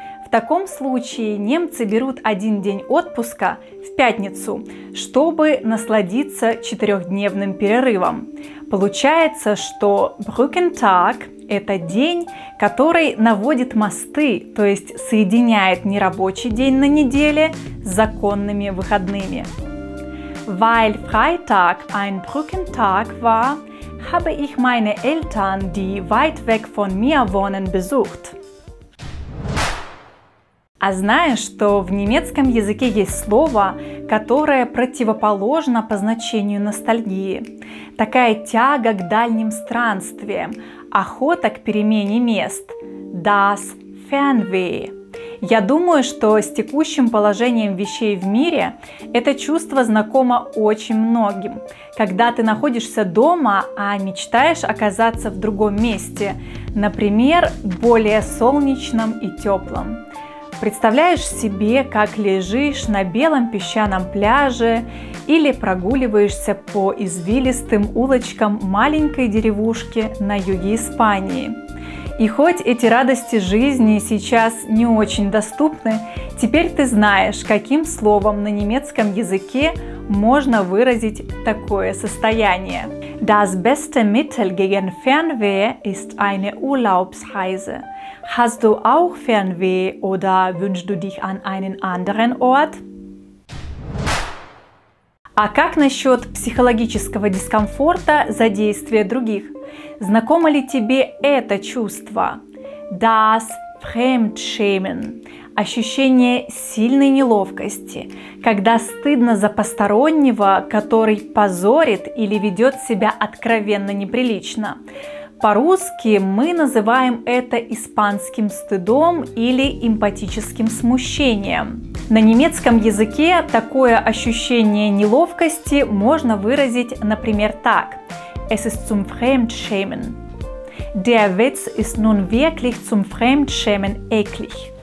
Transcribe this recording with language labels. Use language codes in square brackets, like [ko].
[ru] В таком случае немцы берут один день отпуска в пятницу, чтобы насладиться четырехдневным перерывом. Получается, что Brückentag – это день, который наводит мосты, то есть соединяет нерабочий день на неделе с законными выходными. [de] Weil Freitag ein Brückentag war, habe ich meine Eltern, die weit weg von mir wohnen, besucht. [ru] А знаешь, что в немецком языке есть слово, которое противоположно по значению ностальгии? Такая тяга к дальним странствиям, охота к перемене мест. [de] Das Fernweh. [ru] Я думаю, что с текущим положением вещей в мире это чувство знакомо очень многим. Когда ты находишься дома, а мечтаешь оказаться в другом месте, например, более солнечном и теплом. Представляешь себе, как лежишь на белом песчаном пляже или прогуливаешься по извилистым улочкам маленькой деревушки на юге Испании. И хоть эти радости жизни сейчас не очень доступны, теперь ты знаешь, каким словом на немецком языке можно выразить такое состояние. [de] Das beste Mittel gegen Fernweh ist eine Urlaubsreise. Hast du auch Fernweh oder wünschst du dich an einen anderen Ort? [ru] А как насчет психологического дискомфорта за действия других? Знакомо ли тебе это чувство? [de] Das Fremdschämen. [ru] Ощущение сильной неловкости, когда стыдно за постороннего, который позорит или ведет себя откровенно неприлично. По-русски мы называем это испанским стыдом или эмпатическим смущением. На немецком языке такое ощущение неловкости можно выразить, например, так. [de] Es ist zum Fremdschämen. Der Witz ist nun wirklich zum Fremdschämen eklig.